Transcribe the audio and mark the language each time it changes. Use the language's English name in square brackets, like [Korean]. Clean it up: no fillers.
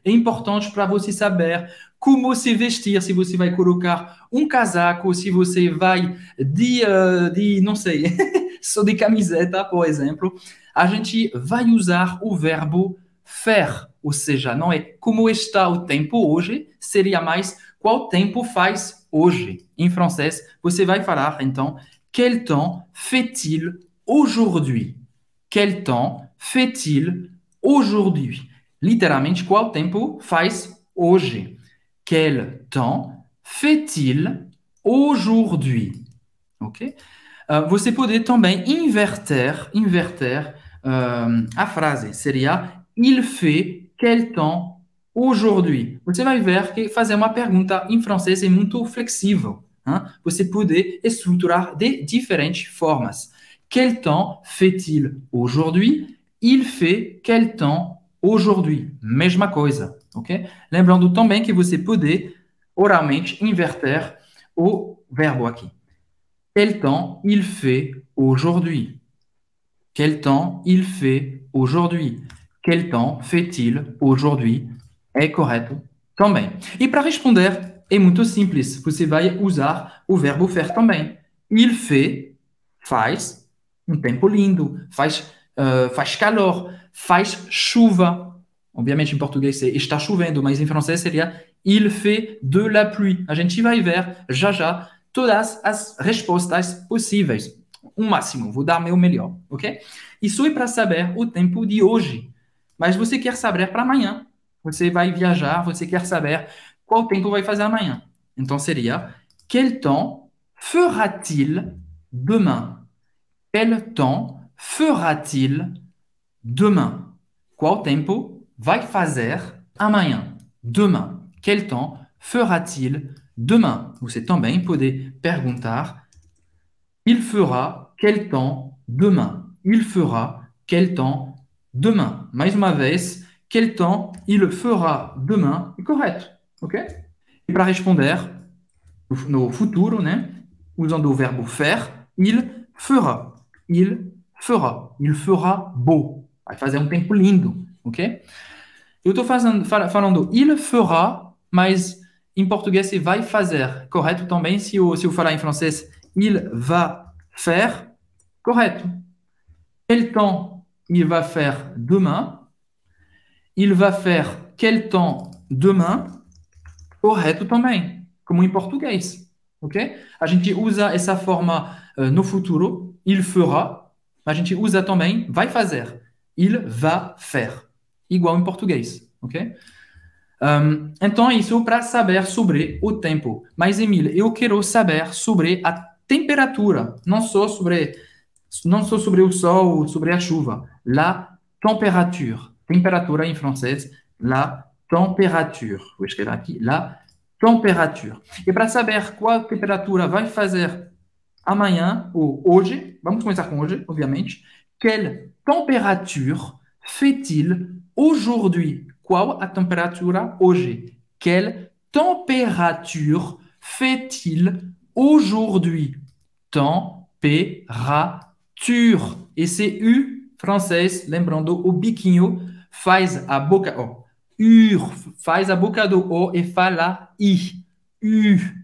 [Portuguese] É importante para você saber como se vestir, se você vai colocar um casaco, se você vai de não sei, só de camiseta, por exemplo. A gente vai usar o verbo faire, ou seja, não é como está o tempo hoje, seria mais qual tempo faz hoje. Em francês, você vai falar, então, [French] quel temps fait-il aujourd'hui? Quel temps fait-il aujourd'hui? [Portuguese] Literalmente, qual tempo faz hoje? [French] Quel temps fait-il aujourd'hui? Ok? [Portuguese] Você pode também inverter a frase. [French] Seria Il fait quel temps aujourd'hui? [Portuguese] Você vai ver que fazer uma pergunta em francês é muito flexível, hein? Você pode estruturar de diferentes formas. [French] Quel temps fait-il aujourd'hui? Il fait quel temps aujourd'hui? [Portuguese] Mesma coisa. Okay? Lembrando também que você pode oralmente inverter o verbo aqui. [French] Quel temps il fait aujourd'hui? Quel temps il fait aujourd'hui? Quel temps fait-il aujourd'hui? [Portuguese] É correto também. E para responder, é muito simples. Você vai usar o verbo faire também. Il fait, faz, um tempo lindo, faz calor, faz chuva. Obviamente, em português, é está chovendo, mas em francês seria [French] Il fait de la pluie. [Portuguese] A gente vai ver já já todas as respostas possíveis. Um máximo, vou dar meu melhor, ok? Isso é para saber o tempo de hoje. Mas você quer saber para amanhã. Você vai viajar, você quer saber qual tempo vai fazer amanhã. Então seria [French] Quel temps fera-t-il demain? Quel temps fera-t-il demain? [Portuguese] Qual tempo vai fazer amanhã, demain. [French] Quel temps fera-t-il demain? [Portuguese] Você também pode perguntar: [French] Il fera quel temps demain? Il fera quel temps demain? [Portuguese] Mais uma vez, [French] quel temps il fera demain? [Portuguese] Correto, ok? E para responder no futuro, né? Usando o verbo [French] faire, il fera. Il fera. Il fera beau. [Portuguese] Vai fazer um tempo lindo, ok? Eu estou falando [French] il fera, [Portuguese] mas Em português, se vai fazer, correto também? Se eu falar em francês, [French] il va faire, [Portuguese] correto. [French] Quel temps il va faire demain? Il va faire quel temps demain? [Portuguese] Correto também, como em português, ok? A gente usa essa forma no futuro, [French] il fera. [Portuguese] A gente usa também, vai fazer, [French] il va faire, [Portuguese] igual em português, ok? Então, isso para saber sobre o tempo. Mas, Emília, eu quero saber sobre a temperatura, não só sobre o sol, sobre a chuva. [French] La température. [Portuguese] Temperatura em francês, [French] la température. [Portuguese] Vou escrever aqui, la température. E para saber qual temperatura vai fazer amanhã ou hoje, vamos começar com hoje, obviamente. [French] Quelle température fait-il aujourd'hui? [Portuguese] Qual a temperatura hoje? [French] Quelle température fait-il aujourd'hui? Température. [Portuguese] Esse U francês, lembrando, o biquinho faz a boca, ó. U faz a boca do O e fala I. U.